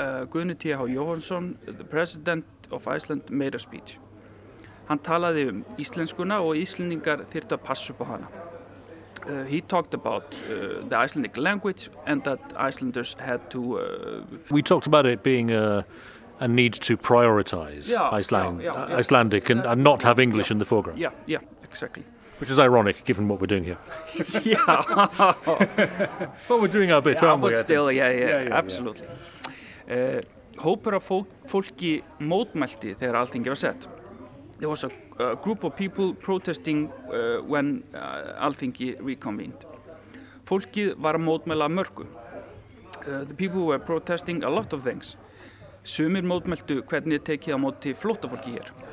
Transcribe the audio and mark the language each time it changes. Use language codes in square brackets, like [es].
[en] Guðni TH Jóhannesson, the president of Iceland, made a speech. [is] Hann talaði íslenskuna og íslendingar þyrftu að passa upp á hana. [en] He talked about the Icelandic language and that Icelanders had to... We talked about it being a need to prioritize Icelandic and not have English in the foreground. Yeah, exactly. Which is ironic, given what we're doing here. Yeah. But we're doing our bit, aren't we? But still, absolutely. [is] Hópur af fólki mótmælti þegar alþingi var sett. [en] There was a group of people protesting when Alþingi reconvened. [is] Fólkið var að mótmæla mörgu. [en] The people were protesting a lot of things. [is] Sumir mótmæltu hvernig tekið á móti flóttafólki hér.